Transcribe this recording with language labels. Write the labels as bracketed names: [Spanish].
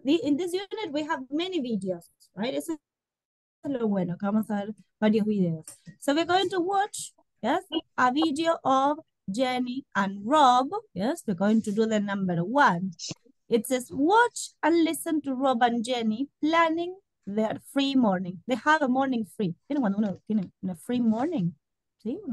[English] In this unit, we have many videos, right? [Spanish] Eso es lo bueno, que vamos a ver varios videos. [English] So we're going to watch, yes, a video of Jenny and Rob. Yes, we're going to do the number one. It says, watch and listen to Rob and Jenny planning their free morning. They have a morning free. [Spanish] ¿Tiene cuando uno tiene una free morning? ¿Sí?